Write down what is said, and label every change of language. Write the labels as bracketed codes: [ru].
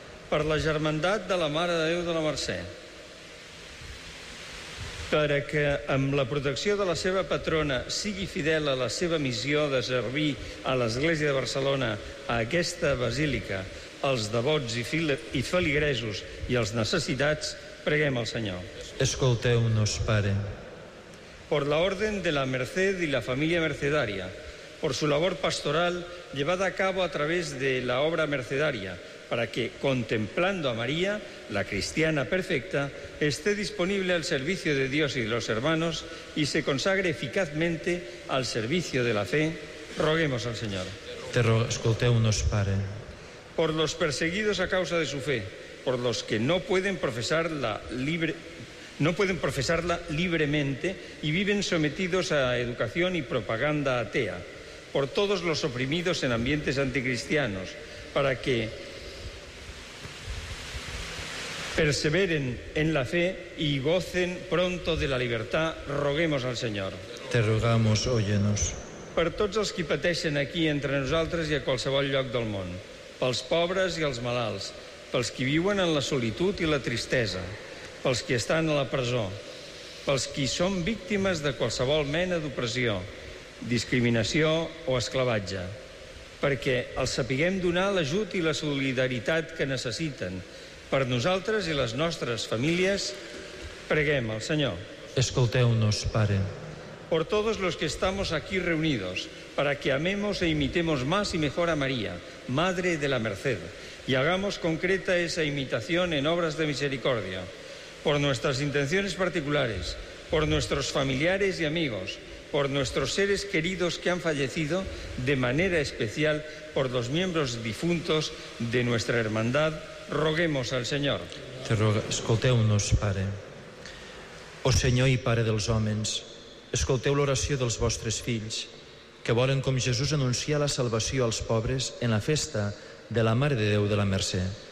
[ca] Per la germandat de la Mare de Déu de la Mercè, perquè amb la protecció de la seva patrona sigui fidel a la seva missió de servir a l'Església de Barcelona, a aquesta basílica, els devots i feligresos i els necessitats, preguem al Senyor. Escolteu-nos, Pare. [es] Por la Orden de la Merced y la Familia Mercedaria, por su labor pastoral llevada a cabo a través de la obra mercedaria, para que, contemplando a María, la cristiana perfecta, esté disponible al servicio de Dios y de los hermanos y se consagre eficazmente al servicio de la fe, roguemos al Señor. [ca] Escolteu-nos, Pare. [es] Por los perseguidos a causa de su fe, por los que no pueden profesar la libre... no pueden profesarla libremente y viven sometidos a educación y propaganda atea, por todos los oprimidos en ambientes anticristianos, para que perseveren en la fe y gocen pronto de la libertad, roguemos al Señor. Te rogamos, óyenos. [ca] Per tots els qui pateixen aquí entre nosaltres i a qualsevol lloc del món, pels pobres i els malalts, pels qui viuen en la solitud i la tristesa, pels qui estan a la presó, pels qui són víctimes de qualsevol mena d'opressió, discriminació o esclavatge, perquè els sapiguem donar l'ajut i la solidaritat que necessiten per nosaltres i les nostres famílies, preguem al Senyor. Escolteu-nos, Pare. [es] Por todos los que estamos aquí reunidos, para que amemos e imitemos más y mejor a María, Madre de la Merced, y hagamos concreta esa imitación en obras de misericordia. Por nuestras intenciones particulares, por nuestros familiares y amigos, por nuestros seres queridos que han fallecido, de manera especial por los miembros difuntos de nuestra hermandad, roguemos al Señor. [ca] Escolteu-nos, Pare. O Senyor i Pare dels homes, escolteu l'oració dels vostres fills, que volen com Jesús anunciar la salvació als pobres en la festa de la Mare de Déu de la Mercè.